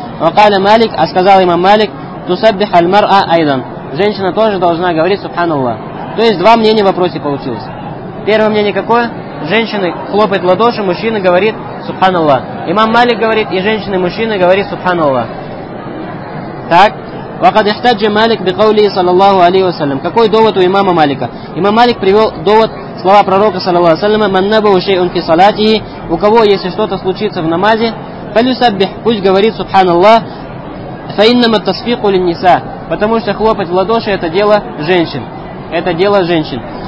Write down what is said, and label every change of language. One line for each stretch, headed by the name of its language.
Russian: Вакаля Малик, а сказал имам Малик, тусаббих аль-мар'а айдан. Женщина тоже должна говорить Субханаллах. То есть два мнения в вопросе получилось. Первое мнение какое? Женщины хлопают в ладоши, мужчина говорит Субханаллах. Имам Малик говорит, и женщина, и мужчина говорит Субханаллах. Так.
Arabic: وقد احتج مالك بقوله صلى الله عليه وسلم.
Russian: Какой довод у имама Малика? Имам Малик привел довод слова пророка
Arabic: صلى الله عليه وسلم: من نبه شيء في صلاته.
Russian: У кого, если что-то случится в намазе,
Arabic: فليسبح,
Russian: пусть говорит سبحان الله,
Arabic: فإنما التصفيق للنساء,
Russian: потому что хлопать в ладоши — это дело женщин. Это дело женщин.